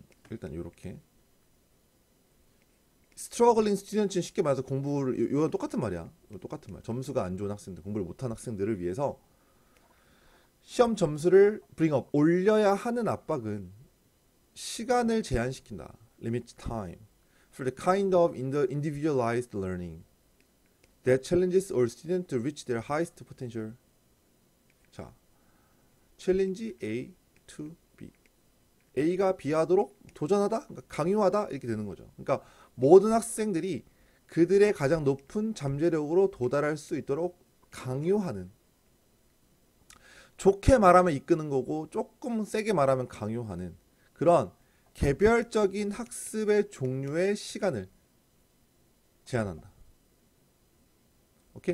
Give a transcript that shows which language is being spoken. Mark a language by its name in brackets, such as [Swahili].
[Korean] 일단 요렇게 [English] struggling students [Korean] 는 쉽게 말해서 공부를 이건 똑같은 말이야. 똑같은 말. 점수가 안 좋은 학생들, 공부를 못한 학생들을 위해서 시험 점수를 [English] bring up [Korean] 올려야 하는 압박은 시간을 제한시킨다. [English] limit time for the kind of individualized learning that challenges all students to reach their highest potential. 자, challenge A to B. [Korean] A가 B하도록 도전하다, 그러니까 강요하다 이렇게 되는 거죠. 그러니까 모든 학생들이 그들의 가장 높은 잠재력으로 도달할 수 있도록 강요하는. 좋게 말하면 이끄는 거고 조금 세게 말하면 강요하는 그런 개별적인 학습의 종류의 시간을 제한한다. 오케이?